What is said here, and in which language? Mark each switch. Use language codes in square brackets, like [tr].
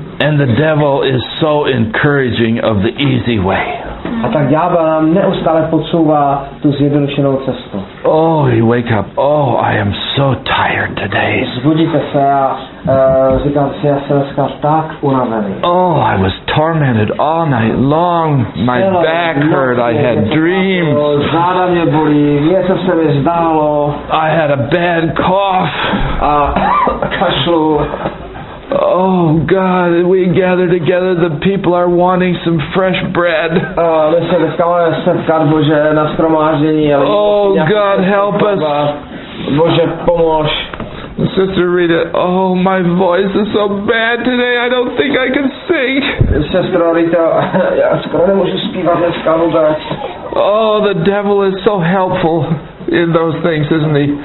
[en] And the devil is so encouraging of the easy way. [cs] A tak ďábel nám neustále podsouvá tu zjednodušenou cestu. [en] Oh, you wake up. Oh, I am so tired today. [cs] Zbudíte se a říkám si, já jsem dneska tak unavený. [en] Oh, I was tormented all night long. My back hurt. I had dreams. [cs] Záda mě bolí. Něco se mi zdálo. [en] I had a bad cough. [cs] A kašlu. [en] Oh God, we gather together, the people are wanting some fresh bread. Oh God, help us. [cs] Bože, pomož. [en] Sister Rita, oh, my voice is so bad today, I don't think I can sing. [cs] Sestro Rita, já skoro nemůžu zpívat dneska vůbec. [en] Oh, the devil is so helpful in those things, isn't he?